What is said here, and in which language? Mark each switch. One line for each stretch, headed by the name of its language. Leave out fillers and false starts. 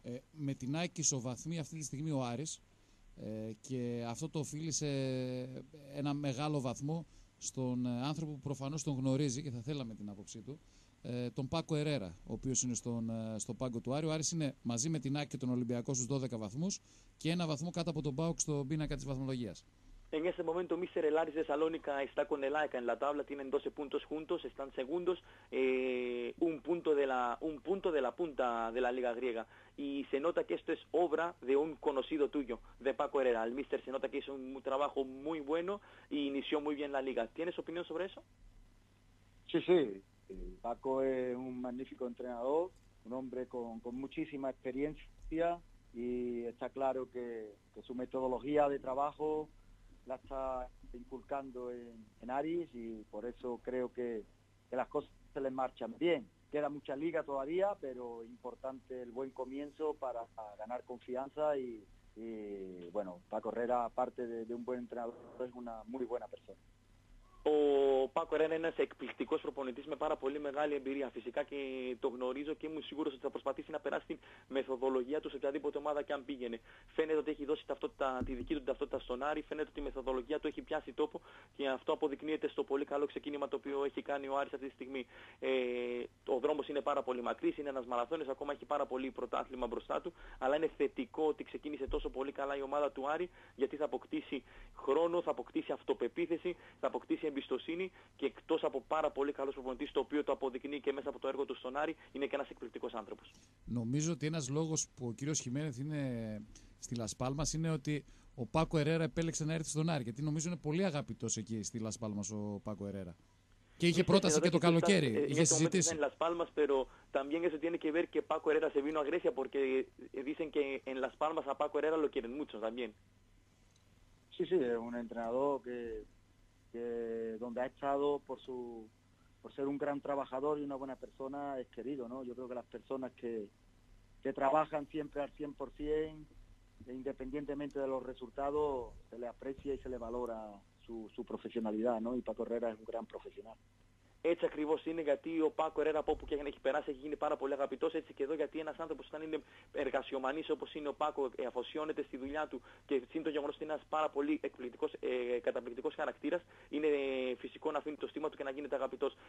Greek: Με την ΑΕΚ ισοβαθμεί αυτή τη στιγμή ο Άρης και αυτό το οφείλει σε ένα μεγάλο βαθμό στον άνθρωπο που προφανώς τον γνωρίζει και θα θέλαμε την άποψή του. Τον Πάκο Ερέρα, ο οποίος είναι στο πάγκο του Άρη. Ο Άρης είναι μαζί με την ΑΕΚ και τον Ολυμπιακό στους 12 βαθμούς και ένα βαθμό κάτω από τον ΠΑΟΚ στον πίνακα της βαθμολογίας.
Spanish: En este momento Mister El Aris de Salónica está con el AECA en la tabla, tienen 12 puntos juntos, están segundos, un punto de la punta de la Liga Griega. Y se nota que esto es obra de un conocido tuyo, de Paco Herrera. El Mister se nota que hizo un trabajo muy bueno e inició muy bien la Liga. ¿Tienes opinión sobre eso? Sí, sí. Paco es un magnífico entrenador, un hombre con muchísima experiencia y está claro que su metodología de trabajo la está inculcando en Aris y por eso creo que las cosas se les marchan bien. Queda mucha liga todavía, pero importante el buen comienzo para ganar confianza y bueno, para correr aparte de un buen entrenador, es una muy buena persona.
Greek: Ο Πάκο Ερέρα είναι ένας εκπληκτικός προπονητής με πάρα πολύ μεγάλη εμπειρία. Φυσικά και το γνωρίζω και είμαι σίγουρος ότι θα προσπαθήσει να περάσει τη μεθοδολογία του σε οποιαδήποτε ομάδα και αν πήγαινε. Φαίνεται ότι έχει δώσει τη δική του ταυτότητα στον Άρη. Φαίνεται ότι η μεθοδολογία του έχει πιάσει τόπο και αυτό αποδεικνύεται στο πολύ καλό ξεκίνημα το οποίο έχει κάνει ο Άρης αυτή τη στιγμή. Ο δρόμος είναι πάρα πολύ μακρύς, είναι ένας μαραθώνιος, ακόμα έχει πάρα πολύ πρωτάθλημα μπροστά του. Αλλά είναι θετικό ότι ξεκίνησε τόσο πολύ καλά η ομάδα του Άρη, γιατί θα αποκτήσει χρόνο, θα αποκτήσει αυτοπεποίθηση, θα αποκτήσει εμπιστοσύνη και εκτός από πάρα πολύ καλός προπονητής, το οποίο το αποδεικνύει και μέσα από το έργο του στον Άρη, είναι και ένας εκπληκτικός άνθρωπος. Νομίζω ότι ένας λόγος που ο κύριος Χιμένεθ είναι στη Λας Πάλμας είναι ότι ο Πάκο Ερέρα επέλεξε να έρθει στον Άρη, γιατί νομίζω είναι πολύ αγαπητός εκεί στη Λας Πάλμας ο Πάκο Ερέρα. Και είχε πρόταση και το καλοκαίρι. Είχε συζητήσει.
Spanish: Las Palmas, pero también eso tiene que ver que Paco Herrera se vino a Grecia porque dicen que en Las Palmas a Paco Herrera lo quieren mucho también. Sí, sí, es un entrenador que donde ha estado por ser un gran trabajador y una buena persona es querido, ¿no? Yo creo que las personas que trabajan siempre al 100%, independientemente de los resultados, se le aprecia y se le valora su profesionalidad, ¿no? Y Paco Herrera es un gran profesional.
Greek: Έτσι ακριβώς είναι, γιατί ο Πάκο Ερέρα από όπου και αν έχει περάσει έχει γίνει πάρα πολύ αγαπητός. Έτσι και εδώ, γιατί ένας άνθρωπος όταν είναι εργασιομανής όπως είναι ο Πάκο, αφοσιώνεται στη δουλειά του και σύν το γεγονός ότι είναι ένας πάρα πολύ εκπληκτικός, καταπληκτικός χαρακτήρας, είναι φυσικό να αφήνει το στίγμα του και να γίνεται αγαπητός.